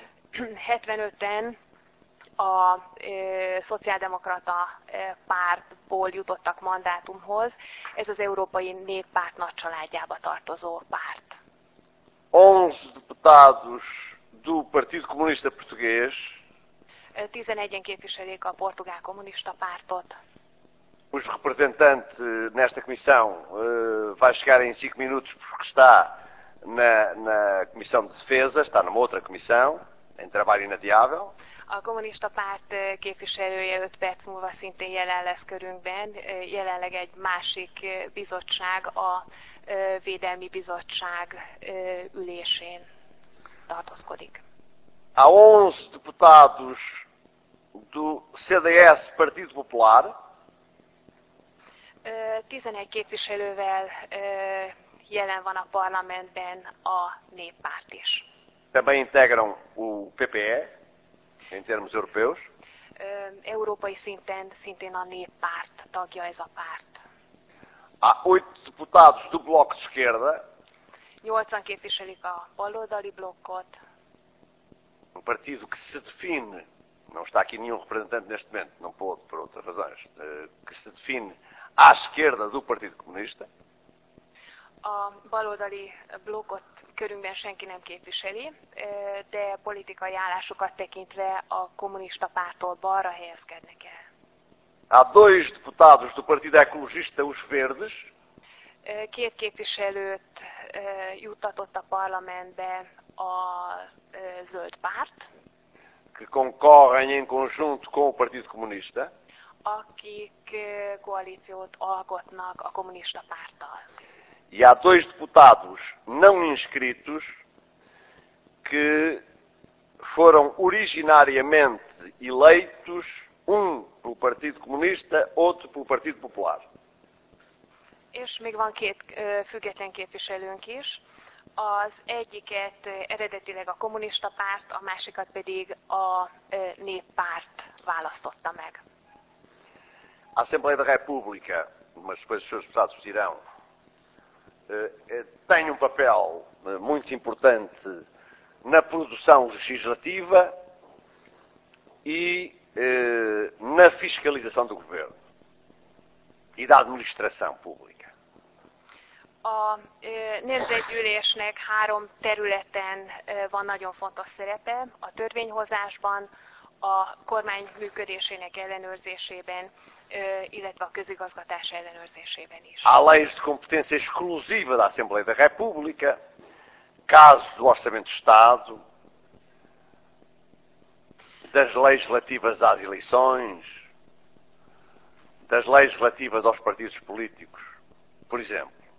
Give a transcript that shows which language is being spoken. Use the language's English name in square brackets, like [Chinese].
[Hungarian] 75-en a Szociáldemokrata pártból jutottak mandátumhoz. Ez az Európai Néppárt nagycsaládjába tartozó párt. [Portuguese] 11 deputados do Partido Comunista Português. [Hungarian] 11-en képviselik a Portugál Kommunista Pártot. [Portuguese] Os representantes nesta comissão vai chegar em 5 minutos porque está na Comissão de Defesa, está numa outra comissão, em trabalho inadiável. [Hungarian] A kommunista párt képviselője 5 perc múlva szintén jelen lesz körünkben. Jelenleg egy másik bizottság, a Védelmi Bizottság ülésén tartózkodik. [Portuguese] Há 11 deputados do CDS, Partido Popular. [Hungarian] 11 képviselővel jelen van a parlamentben a néppárt is. [Portuguese] Também integram o PPE, em termos europeus. [Hungarian] Európai szinten szintén a néppárt tagja ez a párt. [Portuguese] Há 8 deputados do Bloco de Esquerda. [Hungarian] 80 képviselik a baloldali blokkot. [Portuguese] Um partido que se define, não está aqui nenhum representante neste momento, não pôde, por outras razões, que se define à esquerda do Partido Comunista. [Hungarian] a baloldali blokkot körünkben senki nem képviseli, de politikai állásukat tekintve a kommunista párttól balra helyezkednek el. [Portuguese] Há dois deputados do Partido Ecologista, os Verdes. [Hungarian] Két képviselőt juttatott a parlamentbe a zöld párt. [Portuguese] Que concorrem em conjunto com o Partido Comunista. [Hungarian] Akik koalíciót alkotnak a kommunista párttal. [Portuguese] E há dois deputados não inscritos que foram originariamente eleitos, um pelo Partido Comunista, outro pelo Partido Popular. [Hungarian] És még van két független képviselőnk is. Az egyiket eredetileg a kommunista párt, a másikat pedig a néppárt választotta meg. [Portuguese] A Assembleia da República, mas depois os seus deputados dirão, tem papel muito importante na produção legislativa e na fiscalização do governo e da administração pública. [Hungarian] A Nemzetgyűlésnek három területen van nagyon fontos szerepe, a törvényhozásban, a kormány működésének ellenőrzésében, illetve a közigazgatás ellenőrzésében is. [Portuguese] Há leis de competência exclusiva da Assembleia da República, caso do Orçamento de Estado, das leis relativas às eleições, das leis relativas aos partidos políticos, por exemplo.